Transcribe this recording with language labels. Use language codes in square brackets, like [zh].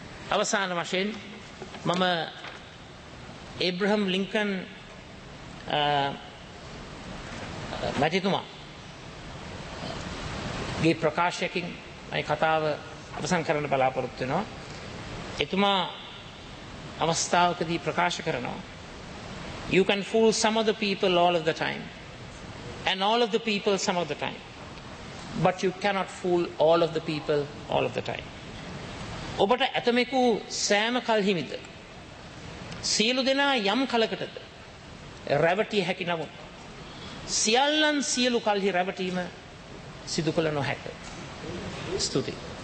[si] අවසාන වශයෙන් මම ඒබ්‍රහම් ලින්කන් මැතිතුමාගේ ප්‍රකාශයකින් මේ කතාව අවසන් කරන්න බලාපොරොත්තු වෙනවා. එතුමා අවස්ථාවකදී ප්‍රකාශ කරනවා, [en] "You can fool some of the people all of the time and all of the people some of the time, but you cannot fool all of the people all of the time." [si] ඔබට ඇතමෙකු සෑම කල්හිමිද සියලු දෙනා යම් කලකටද රැවටිය හැකි නමුත් සියල්ලන් සියලු කල්හි රැවටීම සිදු කළ නොහැක. ස්තුතියි.